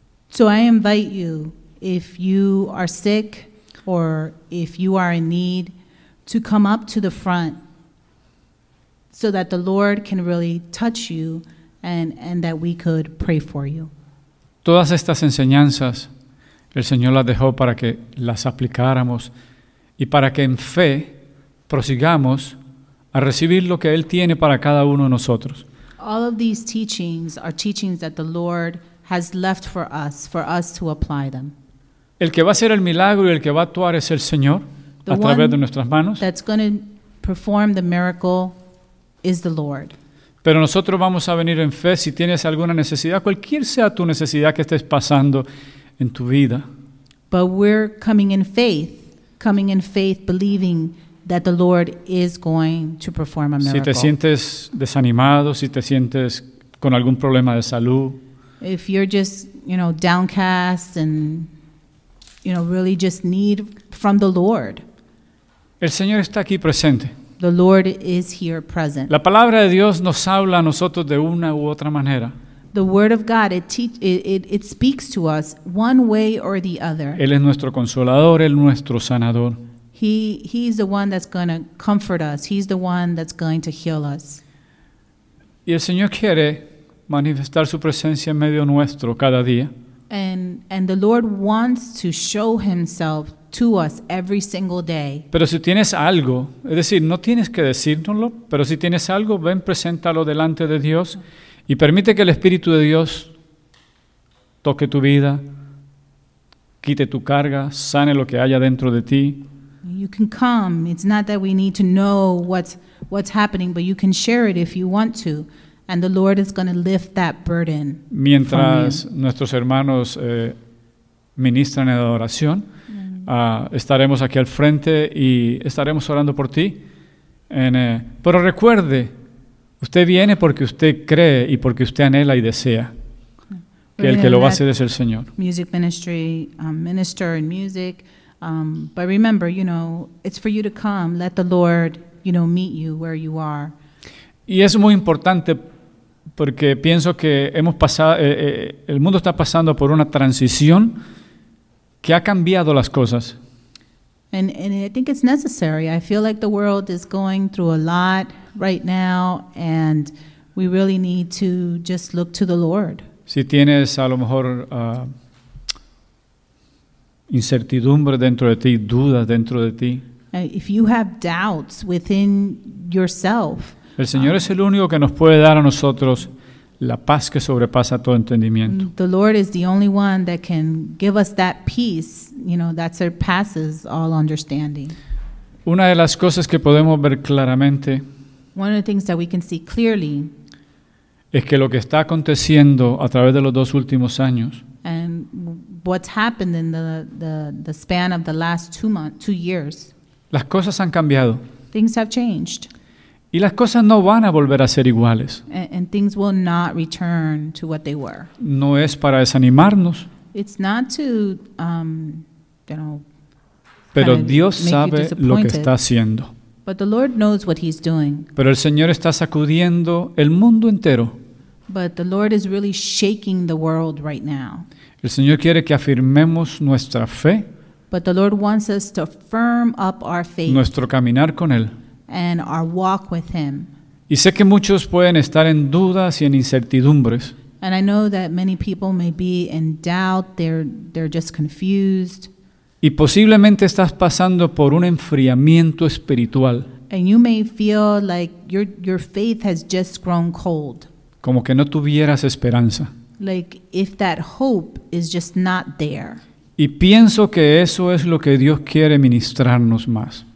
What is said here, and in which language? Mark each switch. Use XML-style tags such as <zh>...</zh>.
<en>So I invite you, if you are sick or if you are in need, to come up to the front so that the Lord can really touch you and that we could pray for you.</en> <es>Todas estas enseñanzas, el Señor las dejó para que las aplicáramos y para que en fe prosigamos a recibir lo que Él tiene para cada uno de nosotros.</es> <en>All of these teachings are teachings that the Lord has left for us to apply them.</en> <es>El que va a hacer el milagro y el que va a actuar es el Señor a través de nuestras manos.</es> <en>The one that's going to perform the miracle is the Lord.</en> <es>Pero nosotros vamos a venir en fe si tienes alguna necesidad, cualquier sea tu necesidad que estés pasando en tu vida.</es> <en>But we're coming in faith, believing that the Lord is going to perform a miracle.</en> <es>Si te sientes desanimado, si te sientes con algún problema de salud.</es> <en>If you're just, you know, downcast and, you know, really just need from the Lord.</en> <es>El Señor está aquí presente.</es> <en>The Lord is here present.</en> <es>La palabra de Dios nos habla a nosotros de una u otra manera.</es> <en>The word of God, it speaks to us one way or the other.</en> <es>Él es nuestro consolador, él es nuestro sanador.</es> <en>He's the one that's going to comfort us. He's the one that's going to heal us.</en> <es>Y el Señor quiere manifestar su presencia en medio nuestro cada día.</es> <en>And the Lord wants to show himself to us every single day.</en> <es>Pero si tienes algo, es decir, no tienes que decírnoslo, pero si tienes algo, ven, preséntalo delante de Dios y permite que el Espíritu de Dios toque tu vida, quite tu carga, sane lo que haya dentro de ti.</es> <en>You can come. It's not that we need to know what's happening, but you can share it if you want to. And the Lord is going to lift that burden.</en> <es>Mientras nuestros hermanos ministran en adoración, estaremos aquí al frente y estaremos orando por ti. Pero recuerde, usted viene porque usted cree y porque usted anhela y desea. Que el que lo va a hacer es el Señor.</es> <en>Music ministry, minister in music. But remember, you know, it's for you to come. Let the Lord, you know, meet you where you are.</en> <es>Y es muy importante porque pienso que hemos pasado, el mundo está pasando por una transición que ha cambiado las cosas.</es> <en>And I think it's necessary. I feel like the world is going through a lot right now, and we really need to just look to the Lord.</en> <es>Si tienes a lo mejor incertidumbre dentro de ti, dudas dentro de ti.</es> <en>If you have doubts within yourself.</en> <es>El Señor es el único que nos puede dar a nosotros la paz que sobrepasa todo entendimiento.</es> <en>The Lord is the only one that can give us that peace, you know, that surpasses all understanding.</en> <es>Una de las cosas que podemos ver claramente.</es> <en>One of the things that we can see clearly.</en> <es>Es que lo que está aconteciendo a través de los dos últimos años.</es> <en>And what's happened in the span of the last two years.</en> <es>Las cosas han cambiado.</es> <en>Things have changed.</en> <es>Y las cosas no van a volver a ser iguales.</es> <en>And things will not return to what they were.</en> <es>No es para desanimarnos.</es> <en>It's not to, you know,</en> <es>pero Dios sabe lo que está haciendo.</es> <en>But the Lord knows what he's doing.</en> <es>Pero el Señor está sacudiendo el mundo entero.</es> <en>But the Lord is really shaking the world right now.</en> <es>El Señor quiere que afirmemos nuestra fe.</es> <en>But the Lord wants us to firm up our faith.</en> <es>Nuestro caminar con Él.</es> <en>And our walk with Him.</en> <es>Y sé que muchos pueden estar en dudas y en incertidumbres.</es> <en>And I know that many people may be in doubt, they're just confused.</en> <es>Y posiblemente estás pasando por un enfriamiento espiritual.</es> <en>And you may feel like your faith has just grown cold.</en> <es>Como que no tuvieras esperanza.</es> <en>Like if that hope is just not there.</en> <es>Y pienso que eso es lo que Dios quiere ministrarnos más.</es>